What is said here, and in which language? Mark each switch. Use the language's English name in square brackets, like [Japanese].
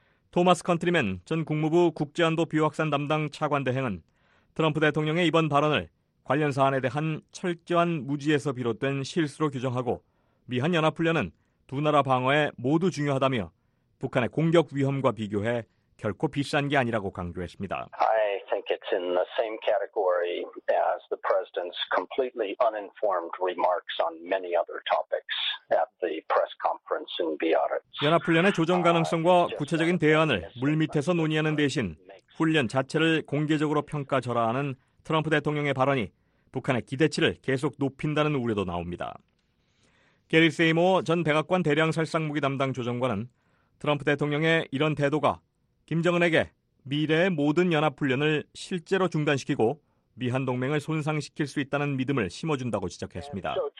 [Korean] 토마스 컨트리맨 전 국무부 국제안보 비확산 담당 차관 대행은 트럼프 대통령의 이번 발언을 관련 사안에 대한 철저한 무지에서 비롯된 실수로 규정하고 미한 연합훈련은 두 나라 방어에 모두 중요하다며 북한의 공격 위험과 비교해 결코 비싼 게 아니라고 강조했습니다. [English] I think it's in the same category as the president's completely uninformed remarks on many other topics at the press conference in Biarritz. [Korean] 연합훈련의 조정 가능성과 구체적인 대안을 물밑에서 논의하는 대신 훈련 자체를 공개적으로 평가절하하는 트럼프 대통령의 발언이 북한의 기대치를 계속 높인다는 우려도 나옵니다. 게리 세이모 전 백악관 대량살상무기 담당 조정관은 트럼프 대통령의 이런 태도가 김정은에게 미래의 모든 연합훈련을 실제로 중단시키고 미한 동맹을 손상시킬 수 있다는 믿음을 심어준다고 지적했습니다.